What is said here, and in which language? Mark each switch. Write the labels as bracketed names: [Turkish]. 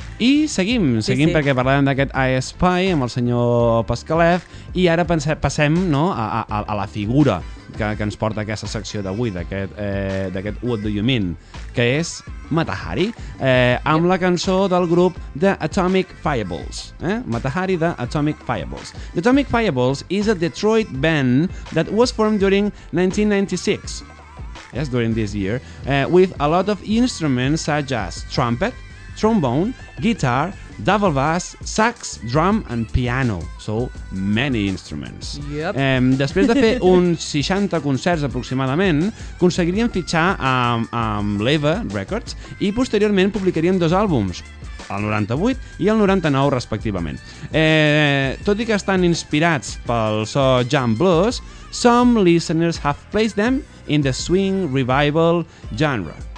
[Catalan] I seguim, seguim, sí, sí. Perquè parlàvem d'aquest I Spy amb el senyor Pascalef i ara passem, no, a la figura que ens porta aquesta secció d'avui, d'aquest What Do You Mean, que és Mata Hari, amb la cançó del grup The Atomic Fireballs. Mata Hari, The Atomic Fireballs. [English] The Atomic Fireballs is a Detroit band that was formed during 1996. Yes, during this year, with a lot of instruments such as trumpet, trombone, guitar, double bass, sax, drum and piano. So, many instruments. Yep. [Catalan] Després de fer uns 60 concerts aproximadament, aconseguirien fitxar amb l'Eva Records i posteriorment publicarien dos àlbums, el 98 i el 99 respectivament. Tot i que estan inspirats pel so [English] jump blues, some listeners have placed them in the swing revival genre.